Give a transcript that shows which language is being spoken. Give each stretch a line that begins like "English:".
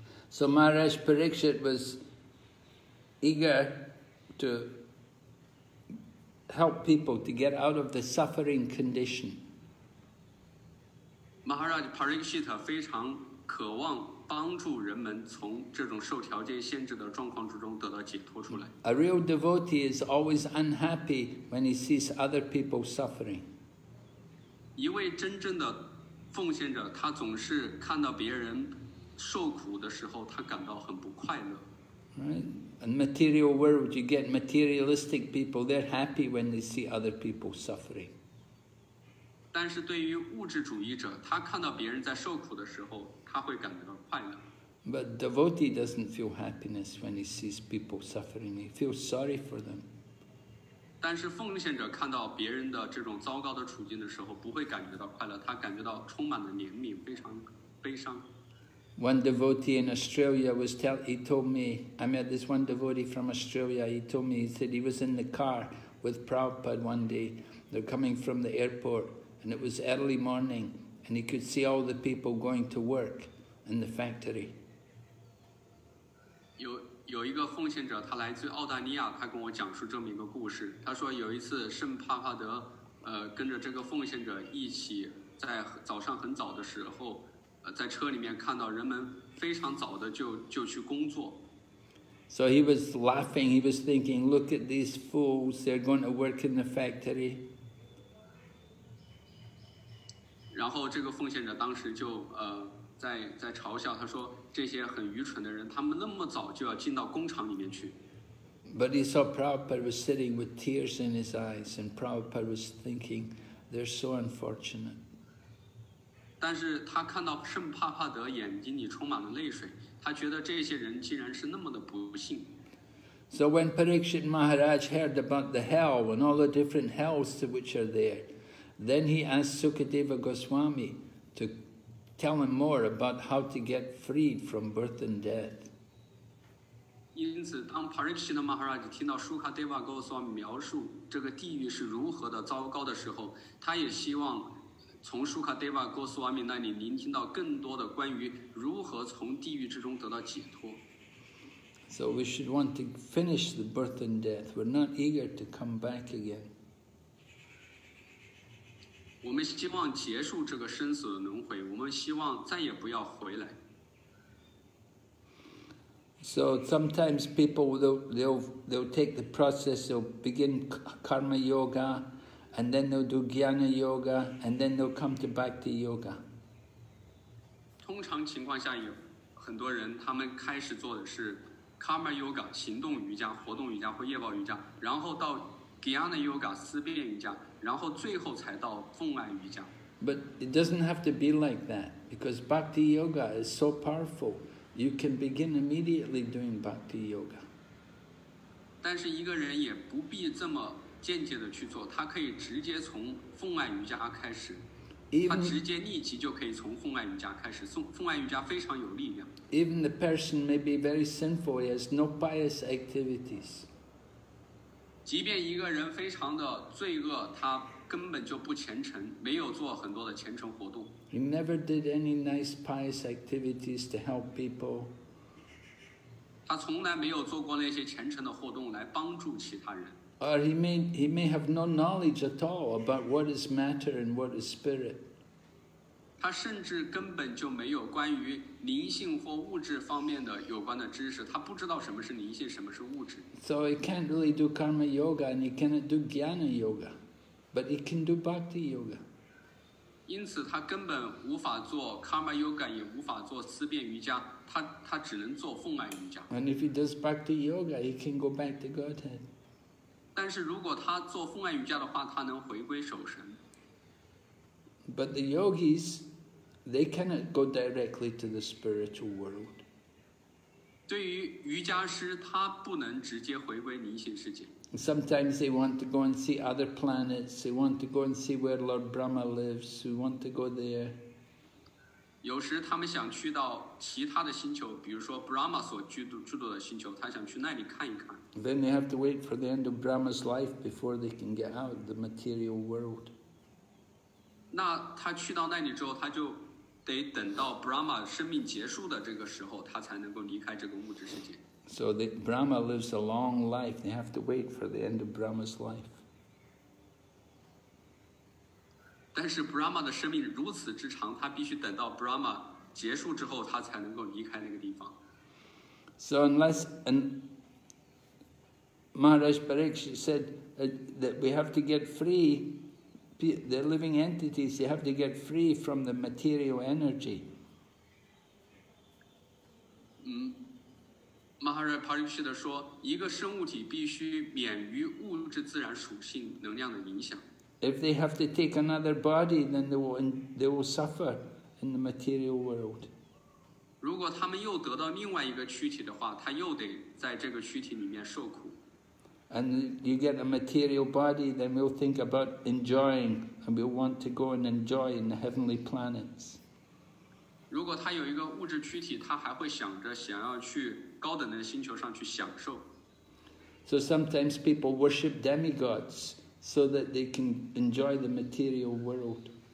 English: So Maharaj Parikshit was eager to help people to get out of the suffering condition.
Chinese: Maharaj Parikshit 非常渴望帮助人们从这种受条件限制的状况之中得到解脱出来。
English: A real devotee is always unhappy when he sees other people suffering.
Chinese: 一位真正的奉献者，他总是看到别人受苦的时候，他感到很不快乐。
English: Right. In the material world, you get materialistic people, they're happy when they see other people suffering.
Chinese: 但是对于物质主义者，他看到别人在受苦的时候，他会感到快乐。
English: But devotee doesn't feel happiness when he sees people suffering. He feels sorry for them.
Chinese: 但是奉献者看到别人的这种糟糕的处境的时候，不会感觉到快乐，他感觉到充满了怜悯，非常悲伤。
English: One devotee in Australia was he told me, I met this one devotee from Australia, he told me, he said he was in the car with Prabhupada one day, they're coming from the airport, and it was early morning, and he could see all the people going to work in the factory.
Chinese: 有一个奉献者，他来自澳大利亚，他跟我讲述这么一个故事，他说有一次圣帕帕德跟着这个奉献者一起在早上很早的时候在车里面看到人们非常早的 就去工作。
English: So he was laughing, he was thinking, look at these fools, they're going to work in the factory.
Chinese: 然后这个奉献者当时就在嘲笑，他说这些很愚蠢的人，他们那么早就要进到工厂里面去。
English: But he saw Prabhupada was sitting with tears in his eyes, and Prabhupada was thinking, they're so unfortunate.
Chinese: 但是他看到圣帕帕德眼睛里充满了泪水，他觉得这些人竟然是那么的不幸。
English: So when Parikshit Maharaj heard about the hell and all the different hells which are there, then he asked Sukadeva Goswami to tell him more about how to get freed from birth and death.
Chinese: 因此，当 Parikshit Maharaj 听到 Sukadeva Goswami 描述这个地狱是如何的糟糕的时候，他也希望。从 Sukadeva Goswami 那里聆听到更多的关于如何从地狱之中得到解脱。
English: So we should want to finish the birth and death. We're not eager to come back again.
Chinese: 我们希望结束这个生死的轮回，我们希望再也不要回来。
English: So sometimes people they'll take the process, they'll begin karma yoga. And then they'll do Jnana Yoga, and then they'll come to Bhakti Yoga.
Chinese: 通常情况下有很多人他们开始做的是 Karma Yoga, 行动瑜伽、活动瑜伽或业报瑜伽，然后到 Jnana Yoga, 思辨瑜伽，然后最后才到奉爱瑜伽。
English: But it doesn't have to be like that, because Bhakti Yoga is so powerful, you can begin immediately doing Bhakti Yoga.
Chinese: 但是一个人也不必这么间接的去做，他可以直接从奉爱瑜伽开始，他直接立即就可以从奉爱瑜伽开始。奉爱瑜伽非常有力量。
English: Even the person may be very sinful, he has no pious activities.
Chinese: 即便一个人非常的罪恶，他根本就不虔诚，没有做很多的虔诚活动。
English: He never did any nice pious activities to help people.
Chinese: 他从来没有做过那些虔诚的活动来帮助其他人。
English: Or he may have no knowledge at all about what is matter and what is spirit.
Chinese: 他甚至根本就没有关于灵性或物质方面的有关的知识，他不知道什么是灵性，什么是物质。
English: So he can't really do karma yoga and he cannot do jnana yoga, but he can do bhakti yoga.
Chinese: 因此他根本无法做 karma yoga, 也无法做思辨瑜伽，他只能做奉爱瑜伽。
English: And if he does bhakti yoga, he can go back to Godhead.
Chinese: 但是如果他做奉爱瑜伽的话，他能回归守神。
English: But the yogis, they cannot go directly to the spiritual world.
Chinese: 对于瑜伽师，他不能直接回归灵性世界。
English: Sometimes they want to go and see other planets, they want to go and see where Lord Brahma lives, we want to go there.
Chinese: 有时他们想去到其他的星球, 比如说 Brahma 所居住的星球, 他想去那里看一看。
English: Then they have to wait for the end of Brahma's life before they can get out of the material world.
Chinese: 那他去到那里之后, 他就得等到 Brahma 生命结束的这个时候, 他才能够离开这个物质世界。
English: So the Brahma lives a long life, they have to wait for the end of Brahma's life.
Chinese: 但是 Brahma 的生命如此之长, 他必须等到 Brahma 结束之后, 他才能够离开那个地方。
English: So unless, and Maharaj Pariksit said that we have to get free, the living entities, they have to get free from the material energy.
Chinese: Maharaj Pariksit 说, 一个生物体必须免于物质自然属性能量的影响。
English: If they have to take another body, then they will suffer in the material world.
Chinese: 如果他们又得到另外一个躯体的话, 他又得在这个躯体里面受苦。
English: And you get a material body, then we'll think about enjoying, and we'll want to go and enjoy in the heavenly planets.
Chinese: 如果他有一个物质躯体, 他还会想着想要去高等的星球上去享受。
English: So sometimes people worship demigods so that they can enjoy the material world.